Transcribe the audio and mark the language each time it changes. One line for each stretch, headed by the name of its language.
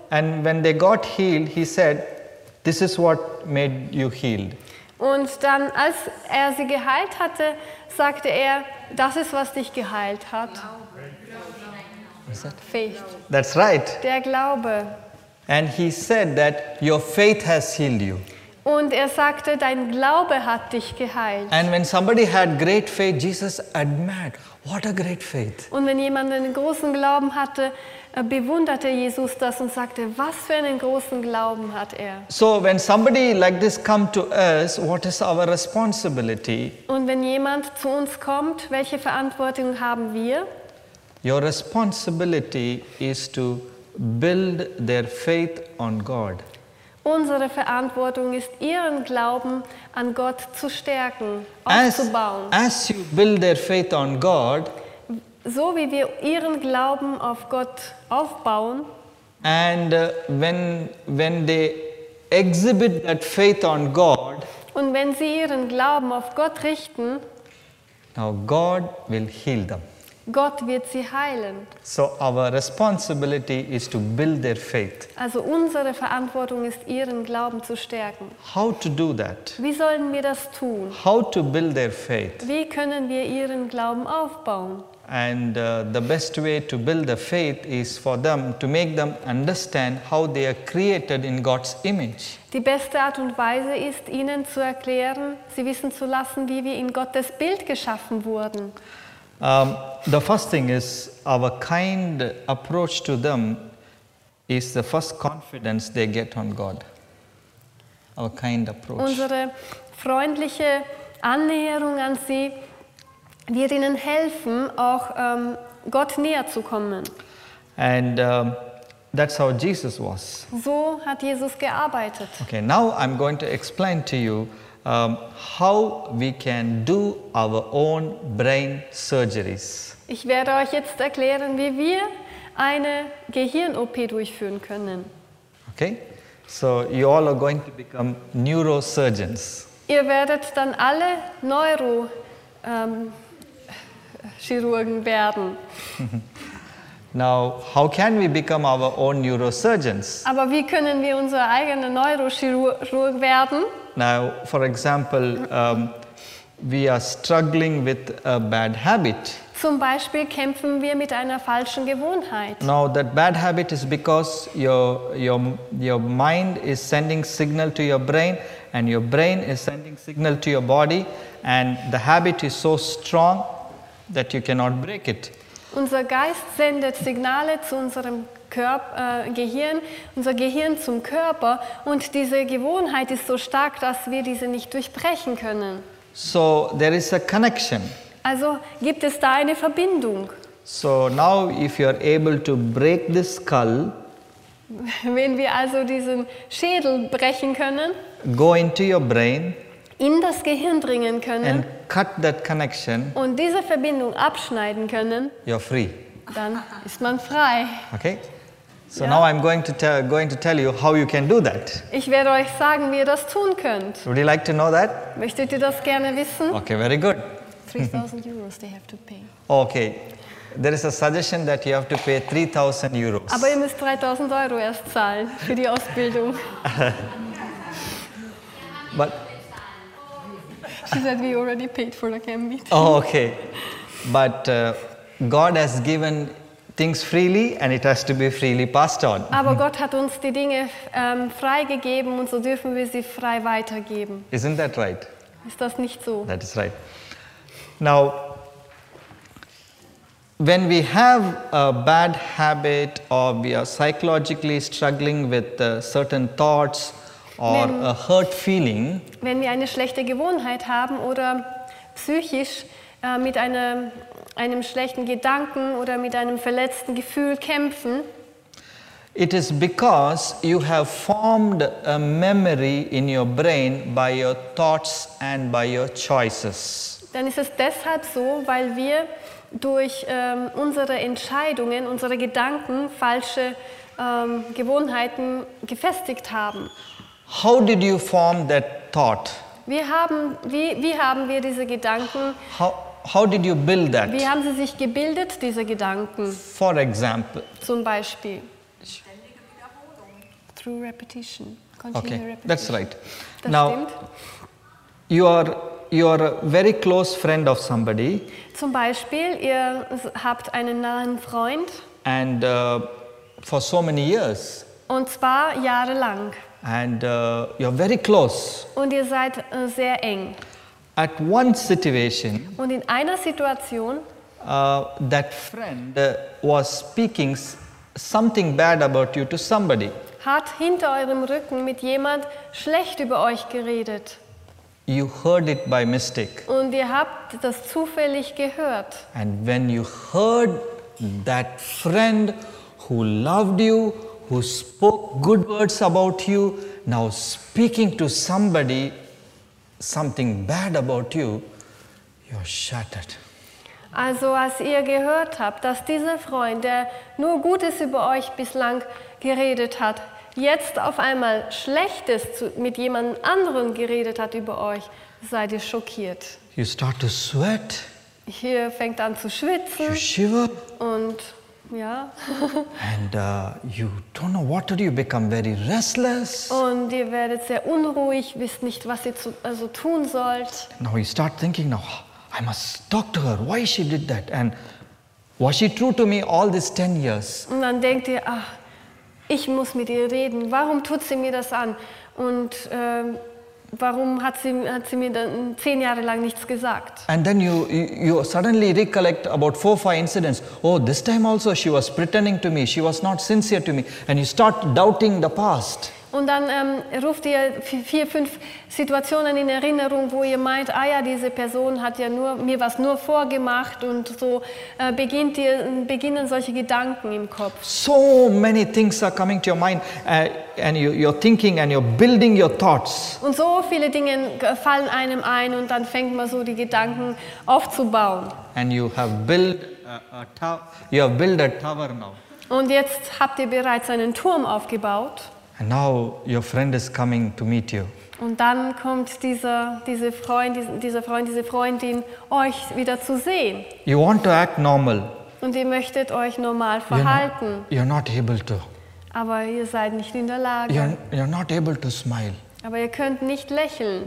English: And when they got healed, he said, this is what made you healed.
German: Und dann, als er sie geheilt hatte, sagte er, das ist, was dich geheilt hat.
English: Faith. That's right.
German: Der Glaube.
English: And he said that your faith has healed you.
German: Und er sagte, dein Glaube hat dich geheilt.
English: And when somebody had great faith, Jesus admired, what a great faith.
German: Und wenn jemand einen großen Glauben hatte, bewunderte Jesus das und sagte, was für einen großen Glauben hat er.
English: So when somebody like this come to us, what is our responsibility?
German: Und wenn jemand zu uns kommt, welche Verantwortung haben wir?
English: Your responsibility is to build their faith on God.
German: Unsere Verantwortung ist, ihren Glauben an Gott zu stärken, aufzubauen.
English: As you build their faith on God,
German: so wie wir ihren Glauben auf Gott aufbauen,
English: and when they exhibit that faith on God,
German: und wenn sie ihren Glauben auf Gott richten,
English: now God will heal them.
German: Gott wird sie heilen.
English: So our responsibility is to build their faith.
German: Also unsere Verantwortung ist, ihren Glauben zu stärken.
English: How to do that?
German: Wie sollen wir das tun?
English: How to build their faith?
German: Wie können wir ihren Glauben aufbauen?
English: And the best way to build the faith is for them to make them understand how they are created in God's image.
German: Die beste Art und Weise ist, ihnen zu erklären, sie wissen zu lassen, wie wir in Gottes Bild geschaffen wurden.
English: The first thing is, our kind approach to them is the first confidence they get on God. Our kind approach.
German: Unsere freundliche Annäherung an sie wird ihnen helfen, auch Gott näher zu kommen.
English: And that's how Jesus was.
German: So hat Jesus gearbeitet.
English: Okay, now I'm going to explain to you how we can do our own brain surgeries.
German: Ich werde euch jetzt erklären, wie wir eine Gehirn-OP durchführen können.
English: Okay, so you all are going to become neurosurgeons.
German: Ihr werdet dann alle Neurochirurgen werden.
English: Now, how can we become our own neurosurgeons?
German: Aber wie können wir unser eigener Neurochirurg werden?
English: Now, for example, we are struggling with a bad habit.
German: Zum Beispiel kämpfen wir mit einer falschen Gewohnheit.
English: Now, that bad habit is because your mind is sending signal to your brain, and your brain is sending signal to your body, and the habit is so strong that you cannot break it.
German: Unser Geist sendet Signale zu unserem Gehirn, unser Gehirn zum Körper, und diese Gewohnheit ist so stark, dass wir diese nicht durchbrechen können.
English: So there is a connection.
German: Also gibt es da eine Verbindung.
English: So now if you are able to break this skull,
German: wenn wir also diesen Schädel brechen können,
English: go into your brain,
German: in das Gehirn dringen können
English: and cut that connection,
German: und diese Verbindung abschneiden können,
English: you're free.
German: Dann ist man frei.
English: Okay. So ja. Now I'm going to tell you how you can do that.
German: Ich werde euch sagen, wie ihr das tun könnt.
English: Would you like to know that?
German: Möchtet ihr das gerne wissen?
English: Okay, very good. 3,000 euros they have to pay. Okay. There is a suggestion that you have to pay 3,000 euros.
German: Aber ihr müsst 3,000 Euro erst zahlen für die Ausbildung.
English: But she said we already paid for the Cambie. Oh, okay. But God has given things freely and it has to be freely passed on.
German: Aber Gott hat uns die Dinge freigegeben und so dürfen wir sie frei weitergeben.
English: Isn't that right?
German: Ist das nicht so?
English: That is right. Now, when we have a bad habit or we are psychologically struggling with certain thoughts or a hurt feeling,
German: wenn wir eine schlechte Gewohnheit haben oder psychisch mit einem schlechten Gedanken oder mit einem verletzten Gefühl kämpfen,
English: it is because you have formed a memory in your brain by your thoughts and by your choices.
German: Dann ist es deshalb so, weil wir durch unsere Entscheidungen, unsere Gedanken, falsche Gewohnheiten gefestigt haben.
English: How did you form that thought?
German: Wie haben wir diese Gedanken?
English: How did you build that?
German: Wie haben sie sich gebildet, diese Gedanken?
English: For example.
German: Zum Beispiel.
English: Through repetition. Okay, repetition. That's right.
German: Das
English: now,
German: stimmt.
English: You are a very close friend of somebody.
German: Zum Beispiel, ihr habt einen nahen Freund.
English: And for so many years.
German: Und zwar jahrelang.
English: And you're very close.
German: Und ihr seid sehr eng.
English: At one situation.
German: Und in einer Situation.
English: That friend was speaking something bad about you to somebody.
German: Hat hinter eurem Rücken mit jemand schlecht über euch geredet.
English: You heard it by mistake.
German: Und ihr habt das zufällig gehört.
English: And when you heard that friend who loved you, who spoke good words about you, now speaking to somebody something bad about you, you're shattered.
German: Also als ihr gehört habt, dass dieser Freund, der nur Gutes über euch bislang geredet hat, jetzt auf einmal Schlechtes mit jemand anderem geredet hat über euch, seid ihr schockiert.
English: You start to sweat.
German: Hier fängt an zu schwitzen.
English: You shiver.
German: Und ja.
English: And you don't know what to do. You become very restless.
German: Und ihr werdet sehr unruhig, wisst nicht, was ihr also tun sollt.
English: Now you start thinking, now I must talk to her. Why she did that? And was she true to me all these 10 years?
German: Und dann denkt ihr, ach, ich muss mit ihr reden. Warum tut sie mir das an? Und warum hat sie mir dann 10 Jahre lang nichts gesagt?
English: And then you suddenly recollect about 4 or 5 incidents. Oh, this time also she was pretending to me. She was not sincere to me. And you start doubting the past.
German: Und dann ruft ihr vier, fünf Situationen in Erinnerung, wo ihr meint, ah ja, diese Person hat ja nur, mir was nur vorgemacht, und so beginnen solche Gedanken im Kopf.
English: So many things are coming to your mind and you're thinking and you're building your thoughts.
German: Und so viele Dinge fallen einem ein und dann fängt man so die Gedanken aufzubauen.
English: And you have built a tower now.
German: Und jetzt habt ihr bereits einen Turm aufgebaut.
English: And now your friend is coming to meet you.
German: Und dann kommt diese Freundin euch wieder zu sehen.
English: You want to act normal.
German: Und ihr möchtet euch normal verhalten.
English: You're not able to.
German: Aber ihr seid nicht in der Lage.
English: You're not able to smile.
German: Aber ihr könnt nicht lächeln.